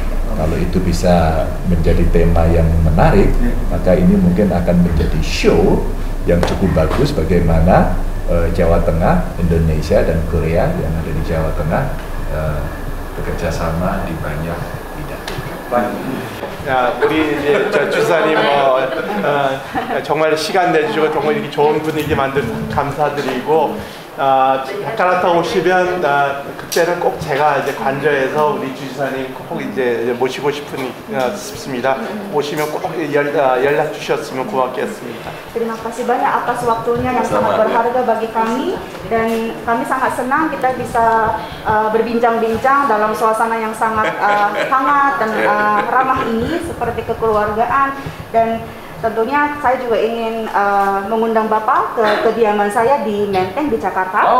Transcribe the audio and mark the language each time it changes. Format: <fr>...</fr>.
<id>Kalau itu bisa menjadi tema yang menarik, maka ini mungkin akan menjadi show yang cukup bagus bagaimana Jawa Tengah, Indonesia dan Korea yang ada di Jawa Tengah bekerja sama di banyak bidang.</id> <ko>Nah, 우리 이제 저 주사님 뭐 정말 시간 내주고 정말 이렇게 좋은 분위기 만들어 감사드리고. 자카르타 오시면 그때는 꼭 제가 이제 관저에서 우리 주지사님 꼭 이제 모시고 싶습니다. 오시면 꼭 연락 주셨으면 고맙겠습니다.</ko> <id>Terima kasih banyak atas waktunya yang sangat berharga bagi kami dan kami sangat senang kita bisa berbincang-bincang dalam suasana yang sangat hangat dan ramah ini seperti kekeluargaan dan tentunya saya juga ingin mengundang Bapak ke kediaman saya di Menteng di Jakarta.</id>